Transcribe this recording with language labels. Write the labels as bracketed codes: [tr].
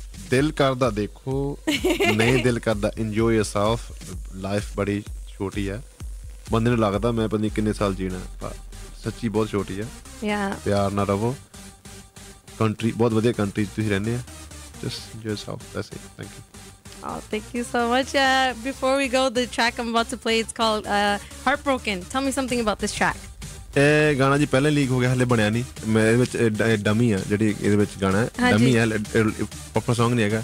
[pa] ਦਿਲ ਕਰਦਾ ਦੇਖੋ, ਨਹੀਂ ਦਿਲ ਕਰਦਾ [en] enjoy yourself, [pa] ਲਾਈਫ ਬੜੀ ਛੋਟੀ ਹੈ, ਬੰਦੇ ਨੂੰ ਲੱਗਦਾ ਮੈਂ ਪਤਾ ਨਹੀਂ ਕਿੰਨੇ ਸਾਲ ਜੀਣਾ, ਪਰ ਸੱਚੀ ਬਹੁਤ ਛੋਟੀ ਹੈ, ਪਿਆਰ ਨਾਲ ਰਹੋ, ਕੰਟਰੀ ਬਹੁਤ ਵਧੀਆ ਕੰਟਰੀ 'ਚ ਤੁਸੀਂ ਰਹਿੰਦੇ ਹਾਂ, [en] Just enjoy yourself, that's it, thank you. Oh, thank you so much. Before we go, the track I'm about to play, it's called Heartbroken. Tell me something about this track. [pa] ਇਹ ਗਾਣਾ ਜੀ ਪਹਿਲਾਂ leak ਹੋ ਗਿਆ ਹਲੇ ਬਣਿਆ ਨਹੀਂ ਮੈਂ ਇਹਦੇ ਵਿੱਚ ਡਮੀ ਆ ਜਿਹੜੀ ਇਹਦੇ ਵਿੱਚ ਗਾਣਾ ਡਮੀ ਆ [en] proper song [pa] ਨਹੀਂ ਹੈਗਾ